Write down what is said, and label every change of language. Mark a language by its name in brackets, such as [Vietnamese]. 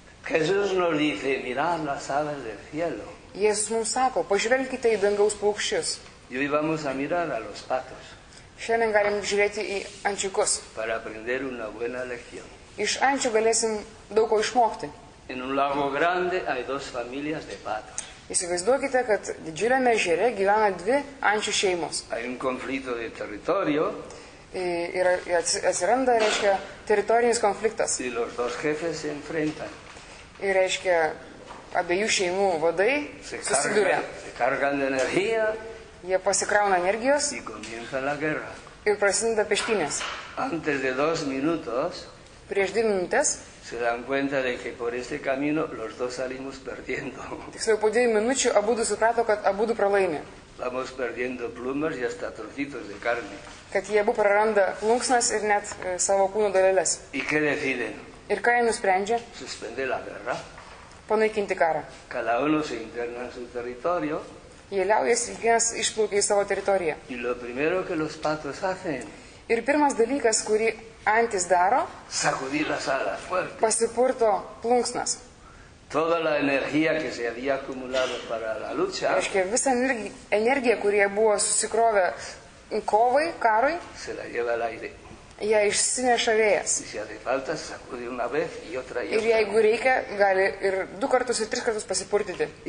[Spanish] Jesús nos dice, mirad las aves del cielo. [Lithuanian] Jėzus mums sako, pažvelkite į dangaus paukščius. [Spanish] Hoy vamos a mirar a los patos. [Lithuanian] Šiandien galim žiūrėti į ančiukus. [Spanish] Para aprender una buena lección. [Lithuanian] Iš ančių galėsim daug ko išmokti. [Spanish] En un lago grande hay dos familias de patos. [Lithuanian] Įsivaizduokite, kad didžiuliame ežere gyvena dvi ančių šeimos. [Spanish] Hay un conflicto de territorio. [Lithuanian] Ir atsiranda, reiškia, teritorinis konfliktas. [Spanish] Y los dos jefes se enfrentan. [Lithuanian] Ir, reiškia, abiejų šeimų vadai susiduria. [Spanish] Se cargan de energía. [Lithuanian] Jie pasikrauna energijos. [Spanish] Y comienza la guerra. [Lithuanian] Ir prasideda peštynės. [Spanish] Antes de dos minutos. [Lithuanian] Prieš dvi minutės. [Spanish] Se dan cuenta de que por este camino los dos salimos perdiendo. [Lithuanian] Tiksliau, po dviejų minučių abudu suprato, kad abudu pralaimė. [Spanish] Vamos perdiendo plumas y hasta trocitos de carne. [Lithuanian] Kad jie abu praranda plunksnas ir net savo kūno dalelės. [Spanish] ¿Y qué deciden? [Lithuanian] Ir ką jie nusprendžia? [Spanish] Suspender la guerra. [Lithuanian] Panaikinti karą. [Spanish] Cada uno se interna en su territorio. [Lithuanian] Jie liaujasi, vienas išplaukia į savo teritoriją. [Spanish] Y lo primero que los patos hacen. [Lithuanian] Ir pirmas dalykas, kurį antis daro, [Spanish] sacudir las alas fuerte. [Lithuanian] Pasipurto plunksnas. [Spanish] Toda la energía que se había acumulado para la lucha. [Lithuanian] Reiškia, visa energija, kurie buvo susikrovę kovai, karui. [Spanish] Se la lleva al aire. [Lithuanian] Ja išsineša vėjas. Ir jeigu reikia, gali ir du kartus, ir tris kartus pasipurtyti.